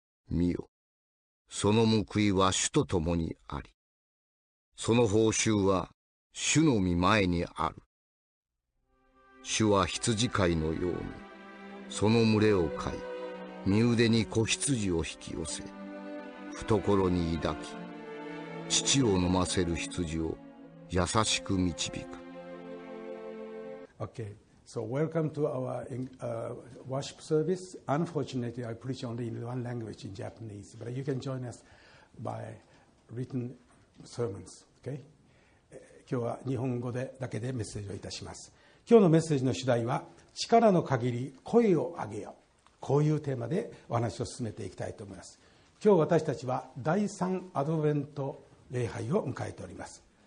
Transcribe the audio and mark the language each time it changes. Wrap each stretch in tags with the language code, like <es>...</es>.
<ja>見よ、その報いは主と共にあり、その報酬は主の御前にある。主は羊飼いのようにその群れを飼い、右腕に子羊を引き寄せ、懐に抱き、乳を飲ませる羊を優しく導く。</ja> <en>Okay, so welcome to our worship service. Unfortunately, I preach only in one language, in Japanese, but you can join us by written sermons. Okay?</en> <ja>今日は日本語でだけでメッセージをいたします。今日のメッセージの主題は、力の限り声を上げよう。こういうテーマでお話を進めていきたいと思います。今日私たちは第3アドベント礼拝を迎えております。</ja>